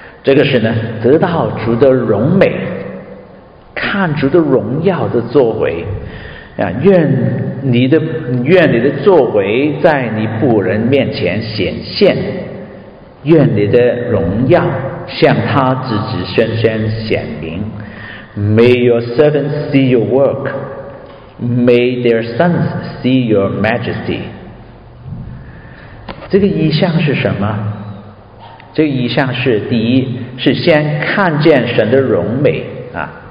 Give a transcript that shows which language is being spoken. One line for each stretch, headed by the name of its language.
Chinese: 这个是呢，得到主的荣美，看主的荣耀的作为，啊，愿你的作为在你仆人面前显现，愿你的荣耀向他子子孙孙显明。
English: May your servants see your work. May their sons see your majesty.
Chinese: 这个意象是什么？这个意象是，第一，是先看见神的荣美啊。